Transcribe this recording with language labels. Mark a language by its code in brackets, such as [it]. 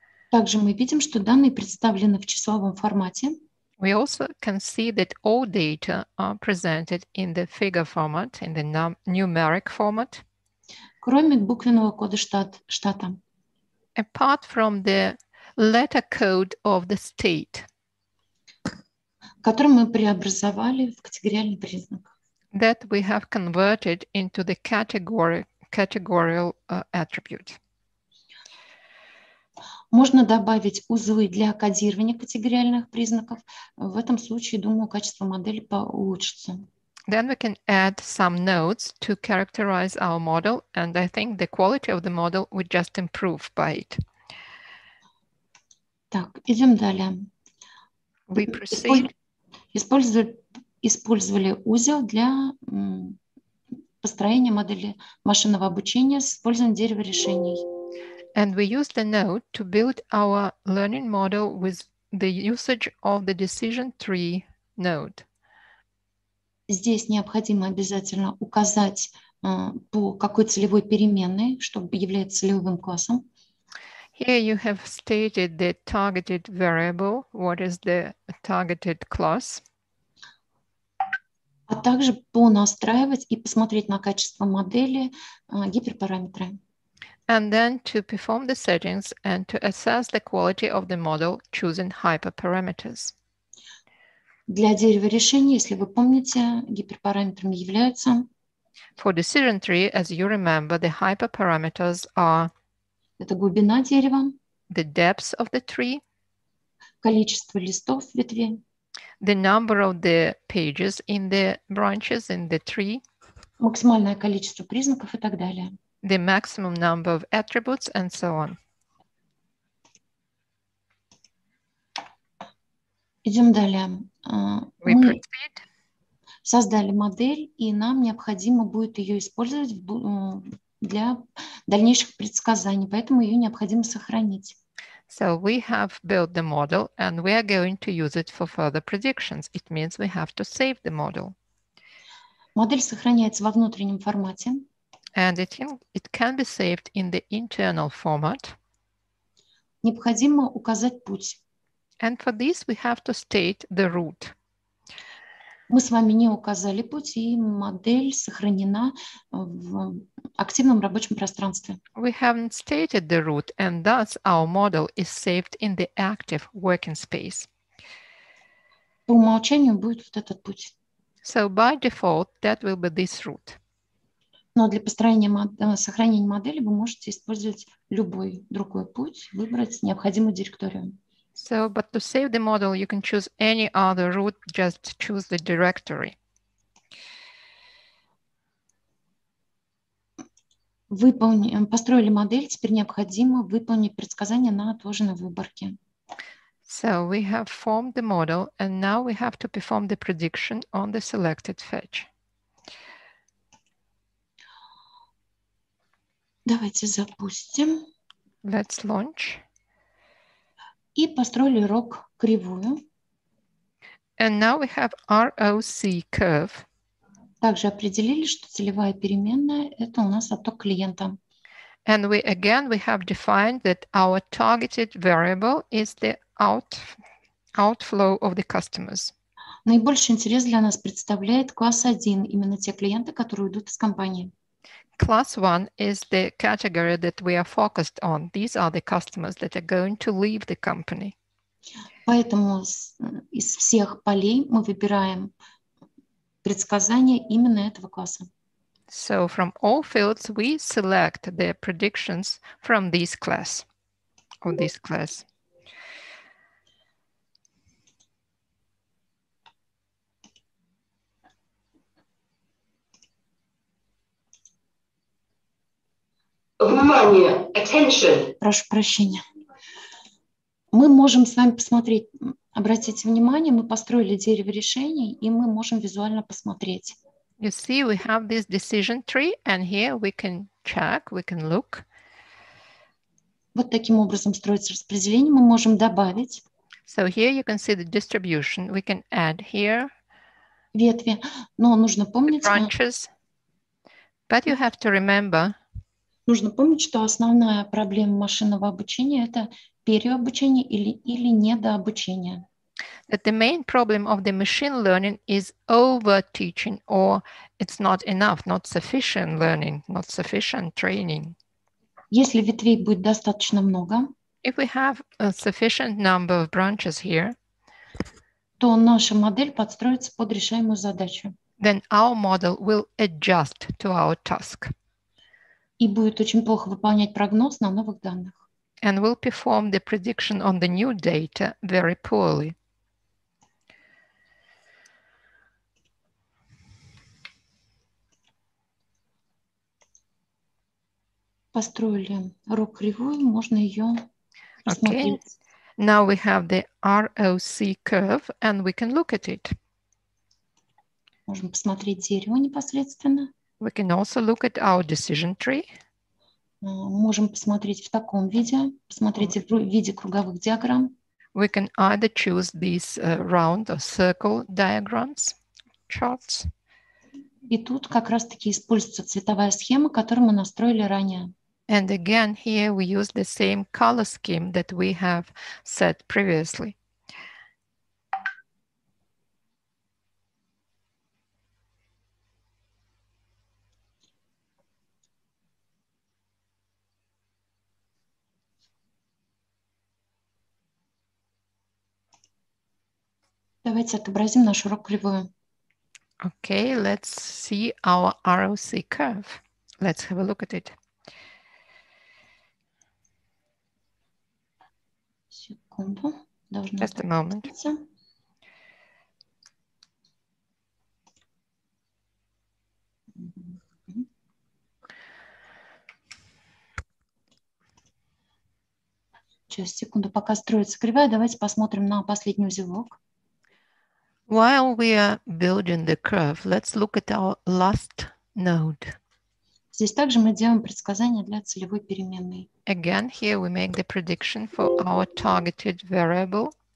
[ru] Также мы видим, что данные представлены в числовом формате. [en] We also can see that all data are presented in the figure format, in the numeric format. [ru] Кроме буквенного кода штата. [en] Apart from the letter code of the state. [ru] Который мы преобразовали в категориальный признак. [en] That we have converted into the categorical attribute. [ru] Можно добавить узлы для кодирования категориальных признаков. В этом случае, думаю, качество модели улучшится. [en] Then we can add some nodes to characterize our model, and I think the quality of the model would just improve by it. [ru] Так, идем далее. [en] We proceed. [ru] Использовали узел для построения модели машинного обучения с использованием дерева решений. [en] And we used the node to build our learning model with the usage of the decision tree node. [ru] Здесь необходимо обязательно указать по какой целевой переменной, чтобы являться целевым классом. [en] Here you have stated the targeted variable. What is the targeted class? [ru] А также понастраивать и посмотреть на качество модели гиперпараметры. [en] And then to perform the settings and to assess the quality of the model choosing hyperparameters. [ru] Для дерева решений, если вы помните, гиперпараметрами являются... [en] For decision tree, as you remember, the hyperparameters are... [ru] Это глубина дерева. [en] The depth of the tree. [ru] Количество листов в ветви. [en] The number of the pages in the branches in the tree. [ru] Максимальное количество признаков и так далее. [en] The maximum number of attributes and so on. [ru] Идем далее. [en] We [ru] мы [en] proceed. [ru] Создали модель, и нам необходимо будет ее использовать для дальнейших предсказаний, поэтому ее необходимо сохранить. [en] So we have built the model, and we are going to use it for further predictions. It means we have to save the model. [ru] Модель сохраняется во внутреннем формате. [en] And it can be saved in the internal format. [ru] Необходимо указать путь. [en] And for this we have to state the route. [ru] Мы с вами не указали путь, и модель сохранена в активном рабочем пространстве. [en] We haven't stated the route, and thus our model is saved in the active working space. [ru] По умолчанию будет вот этот путь. [en] So by default that will be this route. [ru] Но для построения сохранения модели вы можете использовать любой другой путь, выбрать необходимую директорию. [en] So, but to save the model, you can choose any other route, just choose the directory. [ru] Построили модель, теперь необходимо выполнить предсказание на отложенной выборке. [en] So, we have formed the model, and now we have to perform the prediction on the selected fetch. [ru] Давайте запустим. [en] Let's launch. [ru] И построили рок-кривую. [en] And now we have ROC curve. [ru] Также определили, что целевая переменная – это у нас отток клиента. [en] And we again we have defined that our targeted variable is the outflow of the customers. [ru] Наибольший интерес для нас представляет класс 1, именно те клиенты, которые уйдут из компании. [en] Class 1 is the category that we are focused on. These are the customers that are going to leave the company. [ru] Поэтому из всех полей мы выбираем предсказания именно этого класса. [en] So from all fields we select the predictions from this class. Of this class. [ru] Внимание, [en] attention. [ru] Прошу прощения. Мы можем с вами посмотреть, обратите внимание, мы построили дерево решений, и мы можем визуально посмотреть. [en] You see, we have this decision tree, and here we can check, we can look. [ru] Вот таким образом строится распределение, мы можем добавить. [en] So here you can see the distribution, we can add here. [ru] Ветви, но нужно помнить. [en] Branches. But you have to remember. [ru] Нужно помнить, что основная проблема машинного обучения – это переобучение или недообучение. [en] That the main problem of the machine learning is over-teaching, or it's not enough, not sufficient learning, not sufficient training. [ru] Если ветвей будет достаточно много, [en] if we have a sufficient number of branches here, [ru] то наша модель подстроится под решаемую задачу. [en] Then our model will adjust to our task. [ru] И будет очень плохо выполнять прогноз на новых данных. [en] And will perform the prediction on the new data very poorly. [ru] Построили RO-кривую, можно ее [en] Okay. Now we have the ROC curve and we can look at it. [ru] Можем посмотреть дерево непосредственно. [en] We can also look at our decision tree. [ru] Можем посмотреть в таком виде, посмотреть в виде круговых диаграмм. [en] We can either choose these round or circle diagrams, charts. [ru] И тут как раз-таки используется цветовая схема, которую мы настроили ранее. [en] And again, here we use the same color scheme that we have set previously. [ru] Давайте отобразим нашу RO-кривую. [en] Okay, let's see our ROC curve. Let's have a look at it. [ru] Секунду. Должно [en] Just a moment. [ru] Сейчас, секунду, пока строится кривая, давайте посмотрим на последний узелок. [en] While we are building the curve, let's look at our last node. [ru] Здесь также мы делаем предсказание для целевой переменной. [en] Again, here we make the prediction for our targeted variable.